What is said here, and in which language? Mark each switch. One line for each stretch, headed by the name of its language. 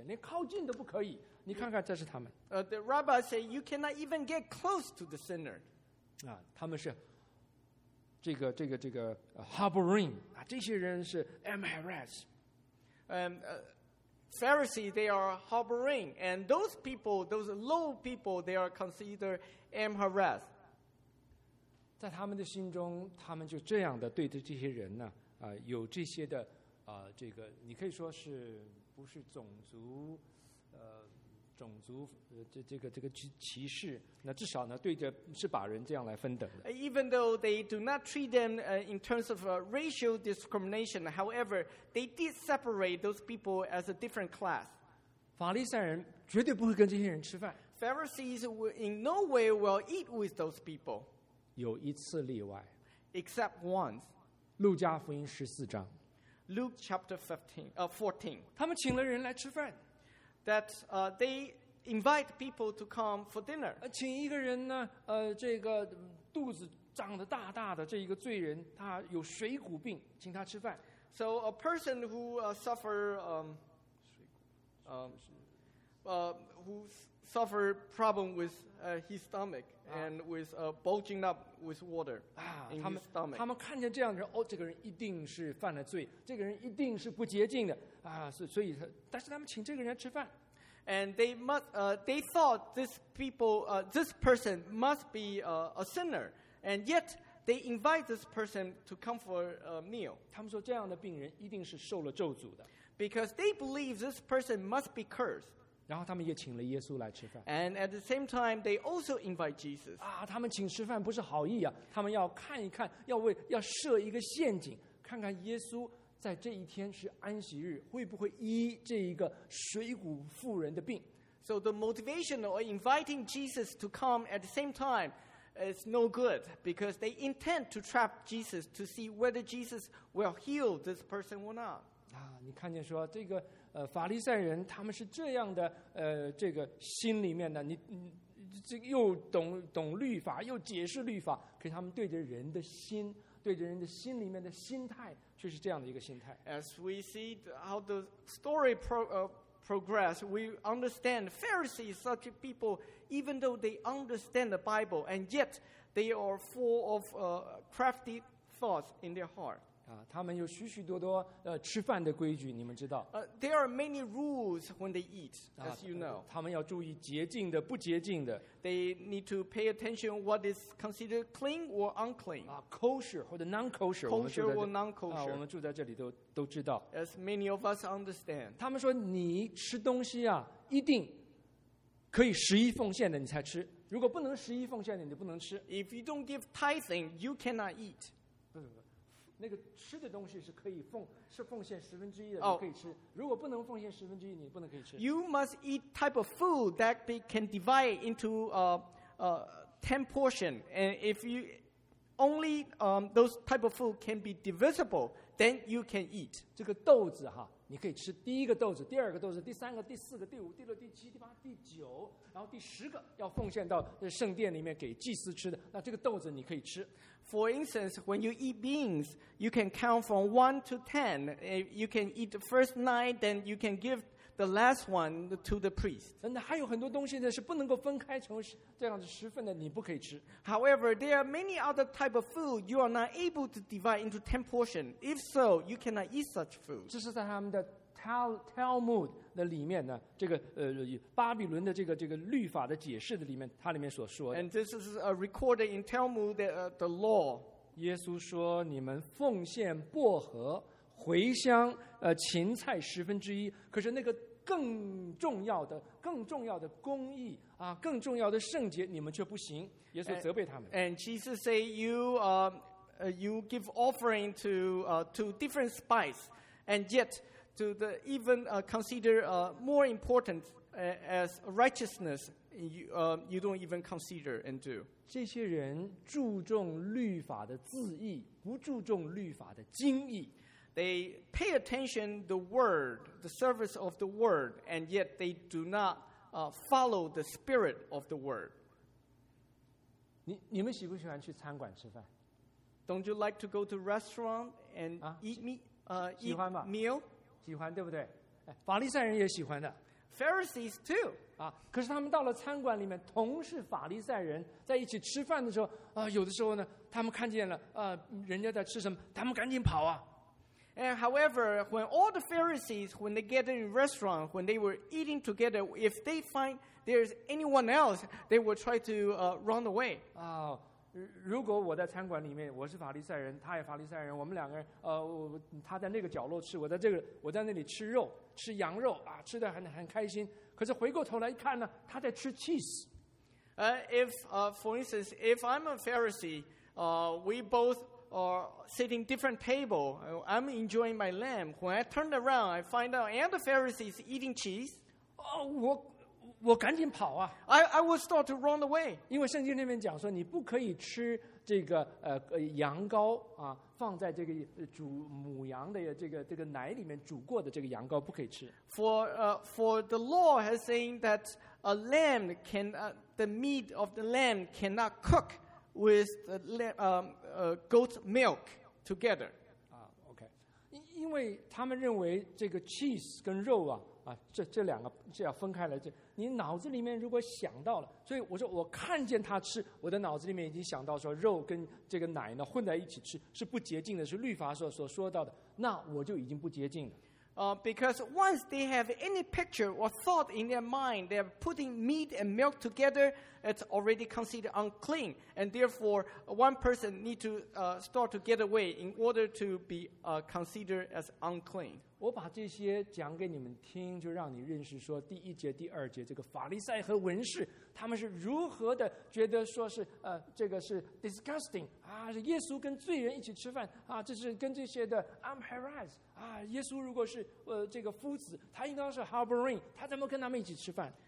Chinese: 说你啊，这个不要跟恶人为伍，你不要把那些罪人带到神的律法的面前，连靠近都不可以。你看看，这是他们。
English: The rabbi say you cannot even get close to the sinner.
Chinese: 他们是这个 harboring 这些人是 MRS。
English: Pharisees, they are harboring, and those people, those low people, they are considered M. Haraz.
Chinese: 在他们的心中，他们就这样的对着这些人呢，有这些的这个你可以说是不是种族种族这个歧视，那至少呢对着是把人这样来分等的。
English: Even though they do not treat them in terms of racial discrimination, however, they did separate those people as a different class.
Chinese: 法利赛人绝对不会跟这些人吃饭。
English: Pharisees in no way will eat with those people.
Chinese: 有一次例外。
English: Except once.
Chinese: 路加福音十四章。
English: Luke chapter 14.
Chinese: 他们请了人来吃饭。
English: That they invite people to come for dinner.
Chinese: 请一个人呢，这个肚子长得大大的这一个罪人，他有水谷病，请他吃饭。
English: So a person who suffer who suffer problem with his stomach and with bulging up with water in his stomach.
Chinese: 他们看见这样的人，哦，这个人一定是犯了罪，这个人一定是不洁净的啊，所以他，但是他们请这个人吃饭。
English: And they must, they thought this people, this person must be a sinner, and yet they invite this person to come for a meal.
Chinese: 他们说这样的病人一定是受了咒诅的。
English: Because they believe this person must be cursed.
Chinese: 然后他们也请了耶稣来吃饭。
English: And at the same time, they also invite Jesus.
Chinese: 啊，他们请吃饭不是好意啊，他们要看一看，要设一个陷阱，看看耶稣。在这一天是安息日，会不会医这一个水谷妇人的病
English: ？So the motivation of inviting Jesus to come at the same time is no good because they intend to trap Jesus to see whether Jesus will heal this person or not.
Chinese: 啊，你看见说这个法利赛人他们是这样的这个心里面的，你这又懂律法又解释律法，可是他们对着人的心。对着人的心里面的心态却是这样的一个心态。
English: As we see how the story progress, we understand Pharisees, such people, even though they understand the Bible, and yet they are full of crafty thoughts in their heart.
Chinese: 他们有许许多多吃饭的规矩，你们知道。
English: There are many rules when they eat, as you know.
Chinese: 他们要注意洁净的，不洁净的。
English: They need to pay attention what is considered clean or unclean. Kosher
Chinese: 或者
English: non-kosher. Kosher or non-kosher.
Chinese: 我们住在这里都知道。
English: As many of us understand.
Chinese: 他们说你吃东西啊，一定可以十一奉献的你才吃。如果不能十一奉献的，你不能吃。
English: If you don't give tithing, you cannot eat.
Chinese: 那个吃的东西是可以奉献十分之一的，你可以吃。如果不能奉献十分之一，你不能可以吃。
English: You must eat type of food that can divide into ten portion, and if you only those type of food can be divisible, then you can eat.
Chinese: 这个豆子哈，你可以吃第一个豆子，第二个豆子，第三个，第四个，第五，第六，第七，第八，第九，然后第十个要奉献到圣殿里面给祭司吃的。那这个豆子你可以吃。
English: For instance, when you eat beans, you can count from 1 to 10. You can eat the first 9, then you can give the last one to the priest.
Chinese: 那还有很多东西呢，是不能够分开成这样子十份的，你不可以吃。
English: However, there are many other type of food you are not able to divide into 10 portions. If so, you cannot eat such food.
Chinese: 这是在他们的 Talmud 的里面呢，这个巴比伦的这个律法的解释的里面，它里面所说的。
English: And this is recorded in Talmud the law.
Chinese: 耶稣说：“你们奉献薄荷。” 茴香芹菜十分之一，可是那个更重要的公义啊，更重要的圣洁，你们却不行。耶稣责备他们。
English: And Jesus say you give offering to different spice, and yet to the even consider more important as righteousness you don't even consider and do.
Chinese: 这些人注重律法的字义，不注重律法的精义。
English: They pay attention to the word, the service of the word, and yet they do not follow the spirit of the word.
Chinese: 你们喜不喜欢去餐馆吃饭？
English: Don't you like to go to restaurant and eat meal?
Chinese: 喜欢对不对？法利赛人也喜欢的。
English: Pharisees too.
Chinese: 可是他们到了餐馆里面，同是法利赛人，在一起吃饭的时候，有的时候呢，他们看见了人家在吃什么，他们赶紧跑啊。
English: And however, when all the Pharisees, when they get in a restaurant, when they were eating together, if they find there's anyone else, they will try to run away.
Chinese: 如果我在餐馆里面，我是法利赛人，他也法利赛人，我们两个人，他在那个角落吃，我在这个，我在那里吃肉，吃羊肉啊，吃得很开心。可是回过头来一看呢，他在吃 cheese。
English: For instance, if I'm a Pharisee, we both are sitting different table. I'm enjoying my lamb. When I turn around, I find out and the Pharisee is eating cheese.
Chinese: Oh, 我赶紧跑啊
English: ！I will start to run away.
Chinese: 因为圣经那边讲说，你不可以吃这个羊羔啊，放在这个煮母羊的这个奶里面煮过的这个羊羔不可以吃。
English: For the law has saying that a lamb can the meat of the lamb cannot cook with the goat milk together.
Chinese: 啊 ，OK， 因为他们认为这个 cheese 跟肉啊。这两个是要分开来，这你脑子里面如果想到了，所以我说我看见他吃，我的脑子里面已经想到说肉跟这个奶呢混在一起吃是不洁净的，是律法所说到的，那我就已经不洁净了。
English: Because once they have any picture or thought in their mind, they're putting meat and milk together, it's already considered unclean. And therefore, one person need to start to get away in order to be considered as unclean.
Chinese: 我把这些讲给你们听，就让你认识说第一节、第二节，这个法利赛和文士，他们是如何的觉得说是这个是 disgusting 啊，是耶稣跟罪人一起吃饭啊，这是跟这些的 unharmed 啊，耶稣如果是这个夫子，他应当是 harboring， 他怎么跟他们一起吃饭？